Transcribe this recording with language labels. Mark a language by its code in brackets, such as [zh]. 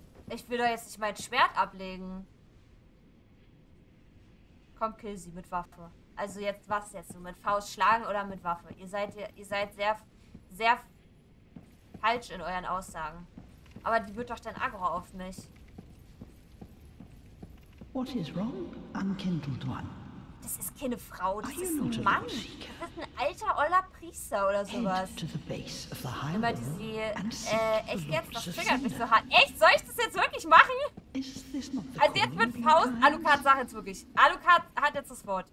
[de] Ich will doch jetzt nicht mein Schwert ablegen. Komm, kill sie mit Waffe. Also jetzt, was jetzt so? Mit Faust schlagen oder mit Waffe? Ihr seid sehr, sehr falsch in euren Aussagen. Aber die wird doch dann aggro auf mich. [en] What is wrong, unkindled one? [de] Das ist keine Frau, das ist ein Mann. Das ist ein alter, oller Priester oder sowas. Immer diese, echt jetzt, das triggert mich so hart. Echt, soll ich das jetzt wirklich machen? Also jetzt mit Faust, Alucard, sag jetzt wirklich. Alucard hat jetzt das Wort.